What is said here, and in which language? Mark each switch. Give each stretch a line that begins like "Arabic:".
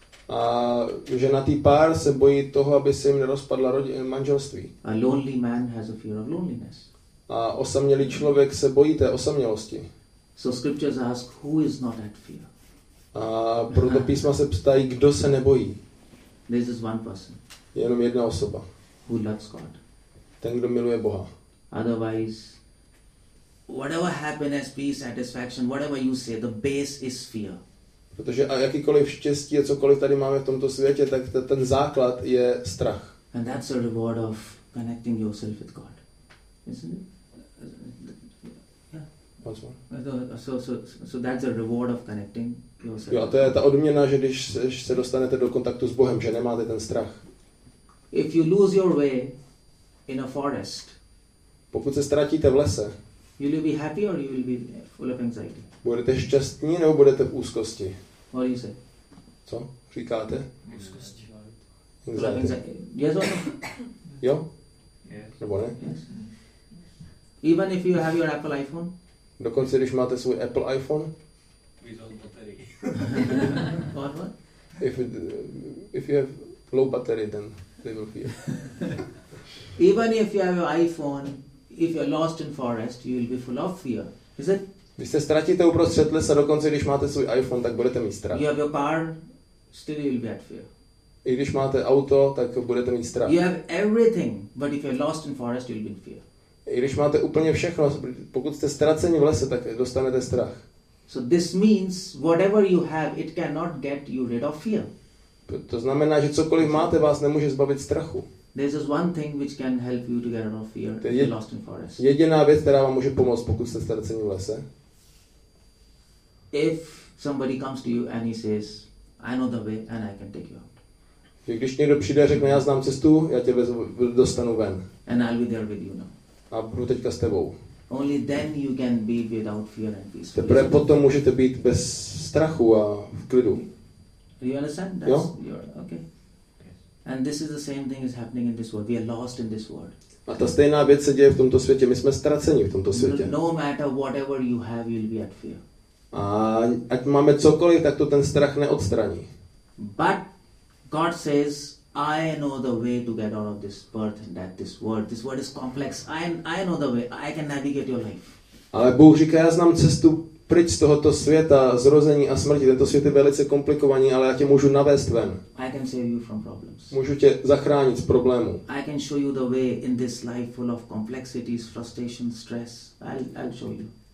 Czech: A ženatý pár se bojí toho, aby se jim nerozpadla manželství.
English: A lonely man has a fear of loneliness.
Czech: A osamělý člověk se bojí té osamělosti.
English: So scriptures ask, who is not at fear?
Czech: A proto písma se ptají, kdo se nebojí.
English: This is one person.
Czech: Jenom jedna osoba.
English: Who loves God.
Czech: Ten, kdo miluje Boha.
English: Otherwise, whatever happiness, peace, satisfaction, whatever you say, the base is fear.
Czech: Protože a jakýkoliv štěstí a cokoliv tady máme v tomto světě, tak ten základ je strach.
English: And that's the reward of connecting yourself with God. Isn't it? A That's one. So that's a reward of connecting yourself.
Czech: Jo, a to je ta odměna, že když se dostanete do kontaktu s Bohem, že nemáte ten strach.
English: If you lose your way in a forest.
Czech: Pokud se ztratíte v lese.
English: Will you be happy or you will be full of anxiety?
Czech: Budete šťastní nebo budete v úzkosti?
English: What do you say?
Czech: Co? Říkáte? Úzkosti.
English: Anxiety. Yes or no?
Czech: Jo?
English: Yes.
Czech: Nebo ne?
English: Yes. Even if you have your Apple iPhone?
Czech: Dokonce když máte svůj Apple iPhone?
English: Without battery. What? If you have low battery, then they will fear. Even if you have your iPhone, if you're lost in forest, you will be full of fear. Is it?
Czech: Když se ztratíte uprostřed lesa, dokonce když máte svůj iPhone, tak budete mít strach.
English: You have your car, still you will be at fear.
Czech: I když máte auto, tak budete mít strach.
English: You have everything, but if you're lost in forest, you'll be in fear.
Czech: I když máte úplně všechno, pokud jste ztraceni v lese, tak dostanete strach.
English: So this means whatever you have, it cannot get you rid of fear.
Czech: To znamená, že cokoliv máte, vás nemůže zbavit strachu.
English: There's just one thing which can help you to get rid of fear. If you're lost in forest.
Czech: Jediná věc, která vám může pomoct, pokud jste ztraceni v lese.
English: If somebody comes to you and he says, I know the way and I can take you out.
Czech: Když někdo přijde a řekne, já znám cestu, já tě dostanu ven.
English: And I'll be there with you now.
Czech: A budu teďka s tebou.
English: Only then you can be without fear and peace.
Czech: Teprve potom můžete být bez strachu a v klidu.
English: Do you understand?
Czech: Jo.
English: Okay. And this is the same thing is happening in this world. We are lost in this world.
Czech: A ta stejná věc se děje v tomto světě. My jsme ztraceni v tomto světě.
English: No matter whatever you have, you'll be at fear.
Czech: A ať máme cokoliv, tak to ten strach neodstraní.
English: But God says, I know the way to get out of this birth and death, this world is complex, I know the way, I can navigate your life.
Czech: Ale Bůh říká, já znám cestu pryč z tohoto světa, zrození a smrti, tento svět je velice komplikovaný, ale já tě můžu navést ven.
English: I can save you from problems.
Czech: Můžu tě zachránit z problémů.
English: I can show you the way in this life full of complexities, frustration, stress, I'll show you.